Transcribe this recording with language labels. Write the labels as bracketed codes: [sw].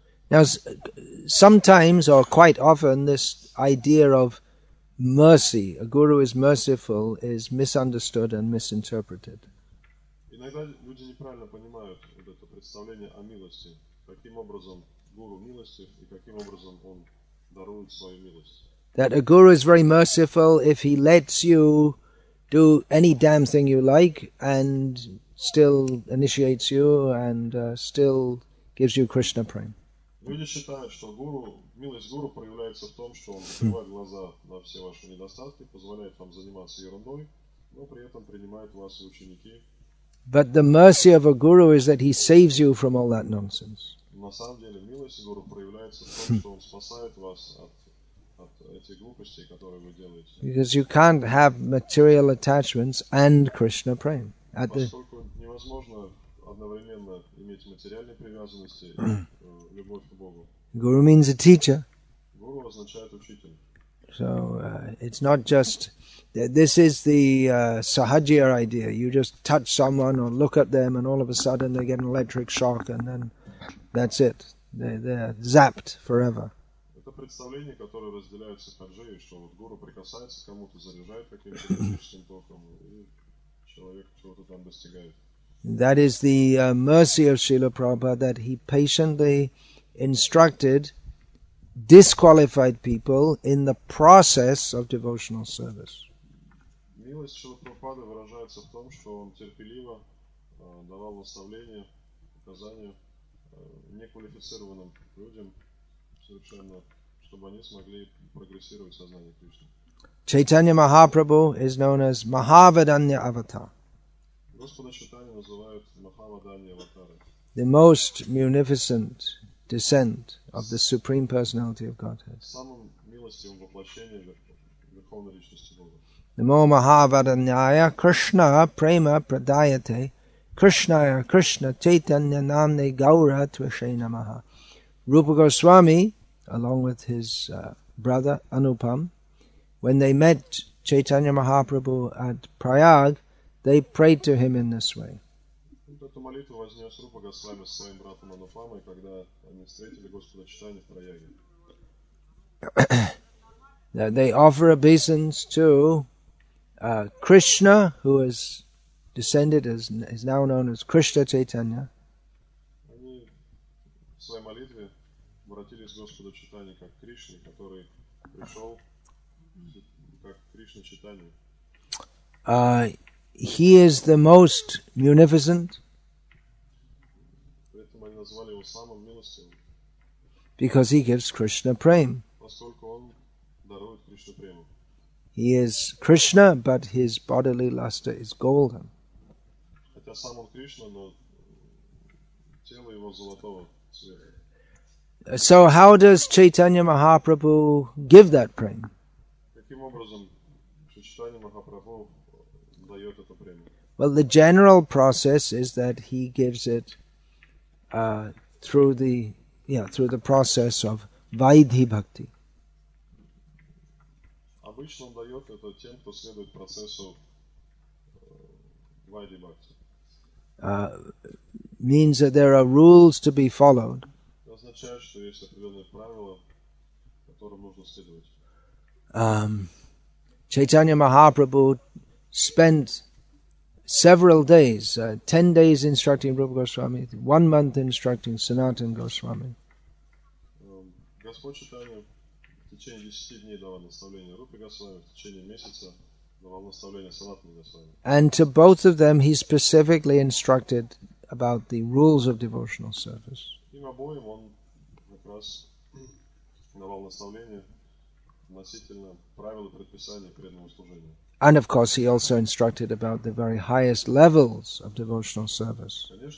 [en] Now, sometimes, or quite often, this idea of mercy, a guru is merciful, is misunderstood and misinterpreted. [ru] Иногда люди неправильно понимают вот это представление о милости. Каким образом гуру милостив и каким образом он дарует свою милость? [en] That a guru is very merciful if he lets you do any damn thing you like and still initiates you and still gives you Krishna prema. [ru] Люди считают, что гуру, милость гуру проявляется в том, что он закрывает глаза на все ваши недостатки, позволяет вам заниматься ерундой, но при этом принимает вас в ученики. [en] But the mercy of a guru is that he saves you from all that nonsense. [ru] На самом деле, милость гуру проявляется в том, что он спасает вас от этих глупостей, которые вы делаете. [en] Because you can't have material attachments and Krishna prema. [ru] Поскольку невозможно одновременно иметь материальные привязанности и любовь к Богу. [en] Guru means a teacher. [ru] Guru означает учитель. [en] So it's not just this is the sahajya idea. You just touch someone or look at them, and all of a sudden they get an electric shock, and then that's it. They're zapped forever. [ru] Это представление, которое разделяют сахаджи, что вот гуру прикасается к кому-то, заряжает каким-то электрическим током, и человек чего-то там достигает. [en] That is the mercy of Srila Prabhupada, that he patiently instructed disqualified people in the process of devotional service. [ru] Милость Шрила Прабхупады выражается в том, что он терпеливо давал наставления, указания неквалифицированным людям, совершенно, чтобы они смогли прогрессировать сознание Кришны. Чайтанья Махапрабху is known as Mahavadanya Avatar. Господа Чайтанья называют Mahavadanya Avatar. [en] The most munificent descent of the Supreme Personality of Godhead. [ru] Самым милостивым воплощением Верховной Личности Бога. [sa] Namo Mahavadanyaya Krishna Prema Pradayate Krishnaya Krishna Chaitanya Namne Gaura Tvishe Namaha. [en] Rupa Goswami, along with his brother Anupam, when they met Chaitanya Mahaprabhu at Prayag, they prayed to him in this way. [ru] Эту молитву вознес Рупа Госвами со своим братом Анупамой, когда они встретили Господа Чайтанью в Праяге. [en] They offer obeisance to Krishna, who has descended as is now known as Krishna Chaitanya. [ru] Они в своей молитве обратились к Господу Чайтанье как Кришне, который пришел как Кришна Чайтанья. [en] He is the most munificent. [ru] Поэтому они назвали его самым милостивым. [en] Because he gives Krishna prema. [ru] Поскольку он дарует Кришну прему. [en] He is Krishna, but his bodily luster is golden. [ru] Хотя сам он Кришна, но тело его золотого цвета. [en] So how does Chaitanya Mahaprabhu give that prema? [ru] Каким образом Chaitanya Mahaprabhu дает это прему? [en] Well, the general process is that he gives it through the process of Vaidhi Bhakti. [ru] Обычно он дает это тем, кто следует процессу Vaidhi Bhakti. [en] Means that there are rules to be followed. [ru] Это означает, что есть определенные правила, которым нужно следовать. [en] Chaitanya Mahaprabhu spent several days, 10 days instructing Rupa Goswami, 1 month instructing Sanatan Goswami. [ru] Господь Чайтанья в течение 10 дней давал наставление Рупе Госвами, в течение месяца давал наставление Санатану Госвами. [en] And to both of them he specifically instructed about the rules of devotional service. [ru] Им обоим он как раз давал наставления относительно правил и предписаний преданного служения. [en] And of course, he also instructed about the very highest levels of devotional service.